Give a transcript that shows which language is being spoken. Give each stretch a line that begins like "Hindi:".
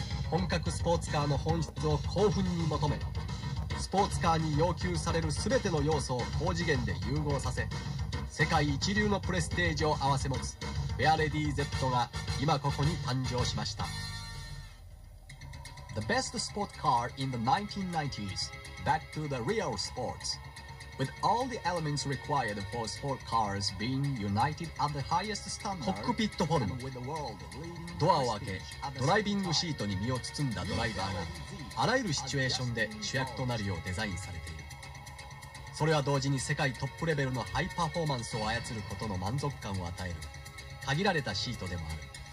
Japanese: 本格スポーツカーの本質を興奮に求め、スポーツカーに要求される全ての要素を高次元で融合させ、世界一流のプレステージを合わせ持つフェアレディ Z が今ここに誕生しました。
English: The best sport car in the 1990s, back to the real sports. With all the elements required for sport cars being united at the highest standard.
Japanese: コックピットフォルム。ドアを開け、ドライビングシートに身を包んだドライバーがあらゆるシチュエーションで主役となるようデザインされている。それは同時に世界トップレベルのハイパフォーマンスを操ることの満足感を与える限られたシートでもある。